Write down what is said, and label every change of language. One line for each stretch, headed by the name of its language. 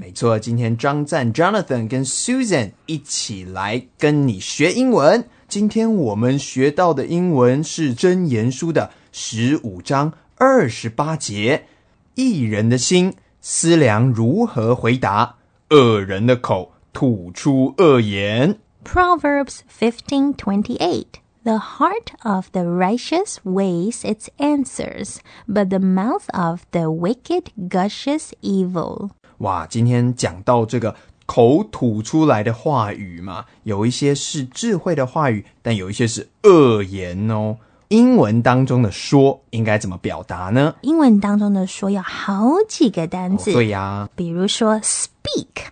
Chinese: 没错，今天张赞 Jonathan 跟 Susan 一起来跟你学英文。今天我们学到的英文是箴言书的十五章二十八节，义人的心思量如何回答，恶人的口吐出恶言。
English: Proverbs 15:28. The heart of the righteous weighs its answers, but the mouth of the wicked gushes evil.
Chinese: 哇，今天讲到这个口吐出来的话语嘛，有一些是智慧的话语，但有一些是恶言哦。英文当中的说应该怎么表达呢？英文当中的说有好几个单字。哦，对呀，比如说 speak